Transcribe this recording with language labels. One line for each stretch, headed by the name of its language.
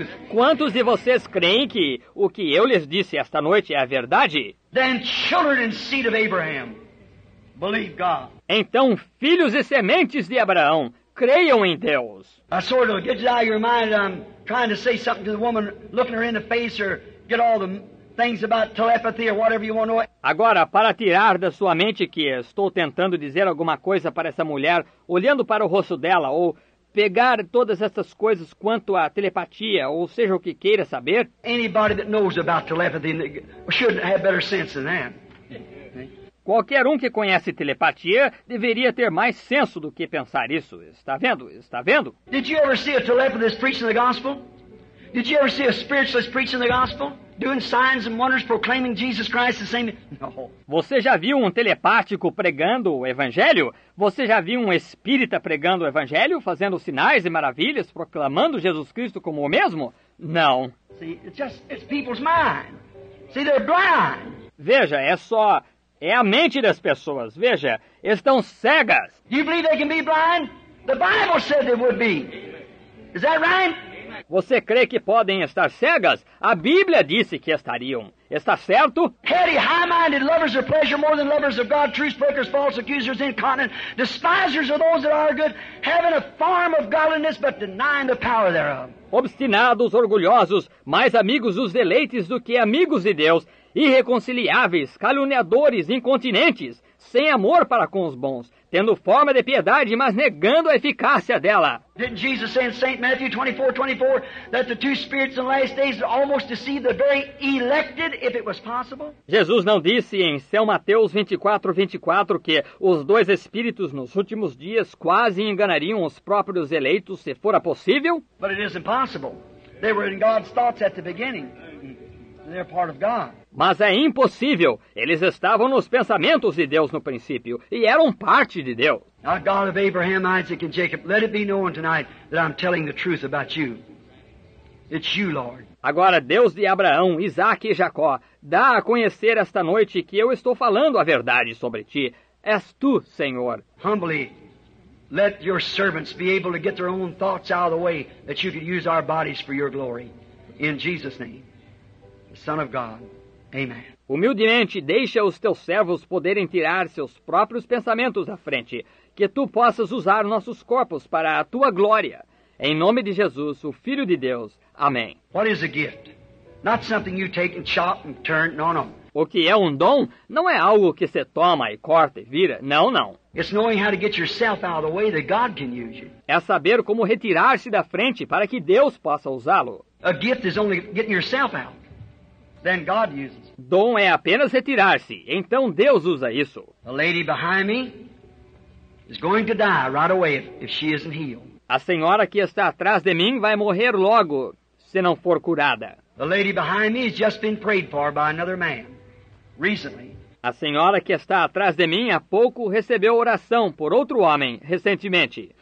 Portuguese: Quantos de vocês creem que o que eu lhes disse esta noite é a verdade?
English: Then children and seed of Abraham, believe God.
Portuguese: Então, filhos e sementes de Abraão, creiam em Deus.
English: I sort of get it out of your mind. I'm trying to say something to the woman, looking her in the face, or get all the things about telepathy or whatever you want to know.
Portuguese: Agora, para tirar da sua mente que estou tentando dizer alguma coisa para essa mulher, olhando para o rosto dela, ou pegar todas essas coisas quanto à telepatia, ou seja o que queira saber.
English: Anybody that knows about telepathy should have better sense than that.
Portuguese: Qualquer um que conhece telepatia deveria ter mais senso do que pensar isso. Está vendo? Está vendo?
English: Did you ever see a telepathist preaching the gospel? Did you ever see a spiritualist preaching the gospel? Doing signs and wonders proclaiming Jesus Christ the same? No.
Portuguese: Você já viu um telepático pregando o evangelho? Você já viu um espírita pregando o evangelho, fazendo sinais e maravilhas, proclamando Jesus Cristo como o mesmo? Não.
English: See, it's people's mind. See, they're blind.
Portuguese: Veja, é só... É a mente das pessoas. Veja, estão cegas.
English: You believe they can be blind? The Bible said they would be. Is that right?
Portuguese: Você crê que podem estar cegas? A Bíblia disse que estariam. Está certo?
English: Heady, high-minded, lovers of pleasure more than lovers of God, truth brokers, false accusers, incontinent, despisers of those that are good, having a form of godliness, but denying the power thereof.
Portuguese: Obstinados, orgulhosos, mais amigos dos deleites do que amigos de Deus, irreconciliáveis, caluniadores, incontinentes, sem amor para com os bons, tendo forma de piedade, mas negando a eficácia dela.
English: Didn't Jesus say in St. Matthew 24:24 that the two spirits in the last days almost deceive the very elected, if it was possible?
Portuguese: Jesus não disse em São Mateus 24:24 que os dois espíritos nos últimos dias quase enganariam os próprios eleitos, se fora possível?
English: But it is impossible. They were in God's thoughts at the beginning. They're part of God.
Portuguese: Mas é impossível. Eles estavam nos pensamentos de Deus no princípio e eram parte de Deus.
English: Now, God of Abraham, Isaac, and Jacob, let it be known tonight that I'm telling the truth about you. It's you, Lord.
Portuguese: Agora, Deus de Abraão, Isaac e Jacó, dá a conhecer esta noite que eu estou falando a verdade sobre ti. És tu, Senhor.
English: Humbly, let your servants be able to get their own thoughts out of the way that you can use our bodies for your glory. In Jesus' name, the Son of God. Amen.
Portuguese: Humildemente, deixa os teus servos poderem tirar seus próprios pensamentos à frente, que tu possas usar nossos corpos para a tua glória. Em nome de Jesus, o Filho de Deus. Amém.
English: What is a gift? Not something you take and chop and turn. No, no.
Portuguese: O que é um dom não é algo que se toma e corta e vira. Não, não.
English: It's knowing how to get yourself out of the way that God can use you.
Portuguese: É saber como retirar-se da frente para que Deus possa usá-lo.
English: A gift is only getting yourself out. Then God uses.
Portuguese: Dom é apenas retirar-se. Então Deus usa isso.
English: A lady behind me is going to die right away if she isn't healed.
Portuguese: A senhora que está atrás de mim vai morrer logo se não for curada.
English: The lady behind me has just been prayed for by another man recently.
Portuguese: A senhora que está atrás de mim há pouco recebeu oração por outro homem recentemente.